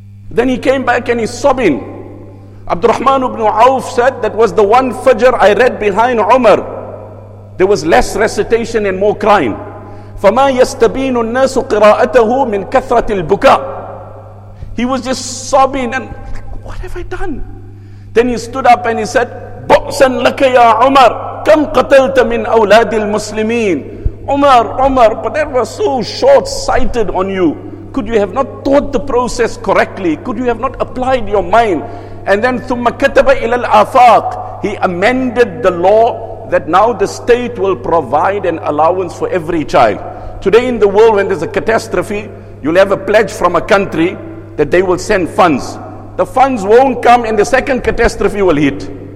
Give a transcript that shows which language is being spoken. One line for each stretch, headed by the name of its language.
English: Then he came back and he's sobbing. Abdurrahman ibn Auf said, that was the one fajr I read behind Umar. There was less recitation and more crying.
Arabic: فَمَا يَسْتَبِينُ النَّاسُ قِرَاءَتَهُ مِنْ كَثْرَةِ الْبُكَى.
English: He was just sobbing and, like, what have I done? Then he stood up and he said,
Arabic: بُعْسًا لَكَ يَا عُمَرْ كَمْ قَتَلْتَ مِنْ أَوْلَادِ الْمُسْلِمِينَ.
English: Umar, Umar, but that was so short-sighted on you. Could you have not thought the process correctly? Could you have not applied your mind? And then
Arabic: ثُمَّ كَتَبَ إِلَى الْآفَاقِ.
English: He amended the law that now the state will provide an allowance for every child. Today in the world, when there's a catastrophe, you'll have a pledge from a country that they will send funds. The funds won't come and the second catastrophe will hit.